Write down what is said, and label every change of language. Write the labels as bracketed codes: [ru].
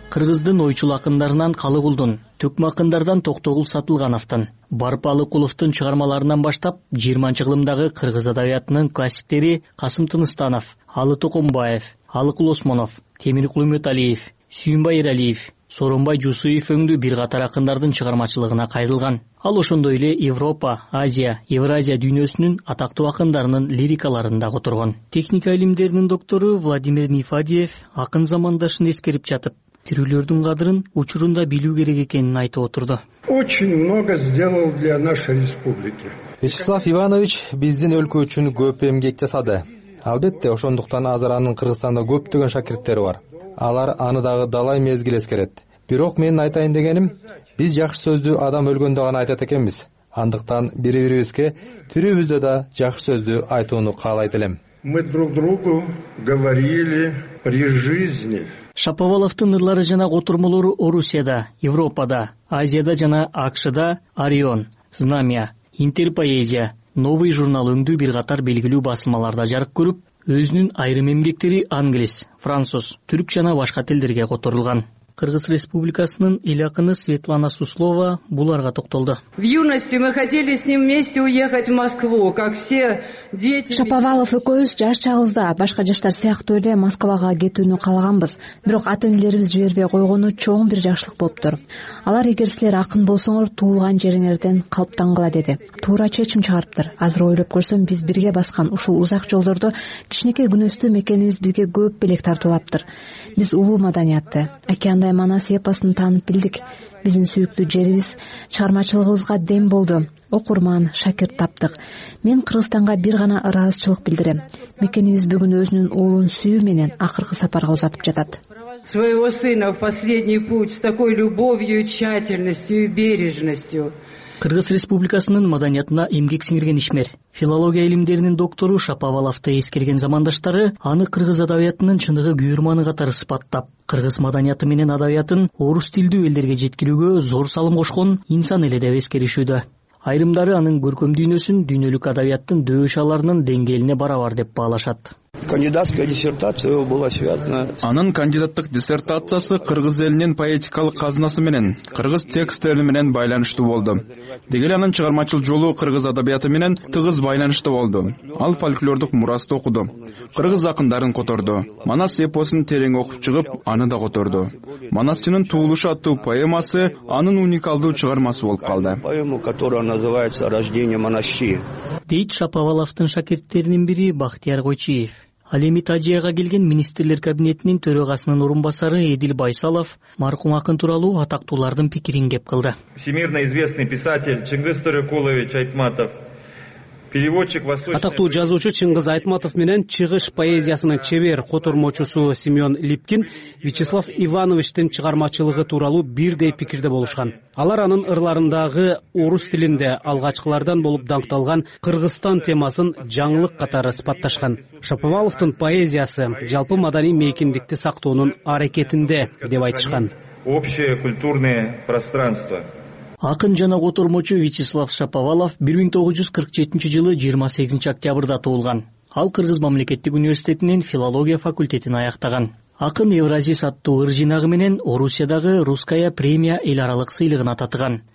[ky] Кыргыздын ойчул акындарынан Калыгулдун, түркм акындардан Токтогул Сатылгановтун, Барпалы Куловтун чыгармаларынан баштап 20-чы кылымдагы кыргыз адабиятынын классиктери Касым Тыныстанов, Алы Токомбаев, Алыкул Осмонов, Темир Кулумөталиев, Сүйүнбай Эралиев, Соромбай Жусуев өңдүү бир катар акындардын чыгармачылыгына кайрылган. Ал ошондой эле Европа, Азия, Евразия дүйнөсүнүн атактуу акындарынын лирикаларында которгон. Техника илимдеринин доктору Владимир Нифадиев акын замандашын эскерип жатып, тирүүлөрдүн кадырын учурунда билүү керек экенин айтып отурду. [ru] Очень много сделал для нашей республики. [ky] Вячеслав Иванович биздин өлкө үчүн көп эмгек жасады. Албетте, ошондуктан азыр анын Кыргызстанда көптөгөн шакирттери бар. Алар аны дагы далай мезгил эскерет. Бирок менин айтайын дегеним, биз жакшы сөздү адам өлгөндө гана айтат экенбиз. Андыктан бири-бирибизге түрүбүздө да жакшы сөздү айтууну каалайт элем. [ru] Мы друг другу говорили при жизни. [ky] Шаповаловтун ырлары жана котурмолору Орусияда, Европада, Азияда жана АКШда Орион, Знамя, Интерпоэзия, Новый журнал өңдүү бир катар белгилүү басылмаларда жарык көрүп, өзүнүн айрым эмгектери англис, француз, түрк жана башка тилдерге которулган. Кыргыз Республикасынын эл акыны Светлана Суслова буларга токтолду. [ru] В юности мы хотели с ним вместе уехать в Москву, как все дети. [ky] Шаповалов экөөбүз жаш чагыбызда башка жаштар сыяктуу эле Москвага кетүүнү каалаганбыз. Бирок ата-энелерибиз жибербей койгону чоң бир жакшылык болуптур. Алар эгер силер акын болсоңор туулган жериңерден калптангыла деди. Туура чечим чыгарыптыр. Азыр ойлоп көрсөм биз бирге баскан ушул узак жолдорду кичинекей күнөстүү мекенибиз бизге көп белек тартуулаптыр. Биз улуу маданиятты кандай Манас эпосун таанып билдик. Биздин сүйүктүү жерибиз, чыгармачылыгыбызга дем болду. Окурман, шакирт таптык. Мен Кыргызстанга бир гана ыраазычылык билдирем. Мекенибиз бүгүн өзүнүн уулун сүйүү менен акыркы сапарга узатып жатат. [ru] Своего сына в последний путь с такой любовью, тщательностью и бережностью. [ky] Кыргыз Республикасынын маданиятына эмгек сиңирген ишмер, филология илимдеринин доктору Шаповаловту эскерген замандаштары аны кыргыз адабиятынын чыныгы күйүрманы катары сыпаттап, кыргыз маданияты менен адабиятын орус тилдүү элдерге жеткирүүгө зор салым кошкон инсан эле деп эскеришүүдө. Айрымдары анын көркөм дүйнөсүн дүйнөлүк адабияттын дөөшаларынын деңгээлине барабар деп баалашат. [ru] Кандидатская диссертация его была связана. [ky] Анын кандидаттык диссертациясы кыргыз элинин поэтикалык казынасы менен кыргыз текстери менен байланыштуу болду. Деги эле анын чыгармачыл жолу кыргыз адабияты менен тыгыз байланыштуу болду. Ал фольклордук мурасты окуду. Кыргыз акындарын которду. Манас эпосун терең окуп чыгып, аны да которду. Манасчынын туулушу аттуу поэмасы анын уникалдуу чыгармасы болуп калды. [ru] Поэма, которая называется Рождение Манасчи. [ky] Дейт Шаповаловтун шакирттеринин бири Бахтияр Койчиев. Ал эми Тажияга келген министрлер кабинетинин төрагасынын орун басары Эдил Байсалов маркум акын тууралуу атактуулардын пикирин кеп кылды. [ru] Всемирно известный писатель Чингиз Төрөкулович Айтматов. [ky] Атактуу жазуучу Чыңгыз Айтматов менен чыгыш поэзиясынын чебер котормочусу Семен Липкин Вячеслав Ивановичтин чыгармачылыгы тууралуу бирдей пикирде болушкан. Алар анын ырларындагы орус тилинде алгачкылардан болуп даңкталган Кыргызстан темасын жаңылык катары сыпатташкан. Шаповаловтун поэзиясы жалпы маданий мейкиндикти сактоонун аракетинде деп айтышкан. [ru] Общее культурное пространство. [ky] Акын жана котормочу Вячеслав Шаповалов 1947 жылы 28 октябрда туулган. Ал Кыргыз мамлекеттик университетинин филология факультетин аяктаган. Акын Евразис аттуу ыр жыйнагы менен Орусиядагы Русская премия эл аралык сыйлыгын ататыган.